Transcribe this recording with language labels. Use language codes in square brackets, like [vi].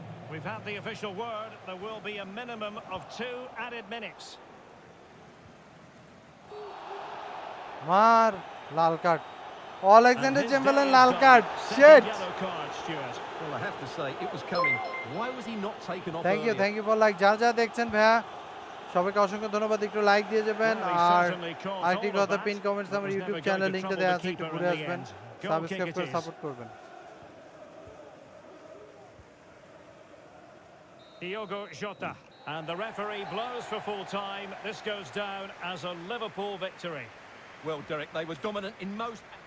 [en] We've had the official word. There will be a minimum of 2 added minutes. [bn] Mar, lal card. Alexander Chamberlain, lal card. Shit. [en] Yellow card, Stuart. Well, I have to say, it was coming. Why was he not taken off? Thank earlier? You, thank you for like. [bn] Jal jal dekchen bhaiya. সবাইকে অসংখ্য ধন্যবাদ একটু like দিয়ে দেবেন আর আরেকটি কথা pin comments আমার YouTube channel লিংকটা দেওয়া আছে একটু ঘুরে আসবেন সাবস্ক্রাইব করে সাপোর্ট করবেন [en] Diogo Jota and the referee blows for full time. This goes down as a Liverpool victory. Well, Derek, they were dominant in most.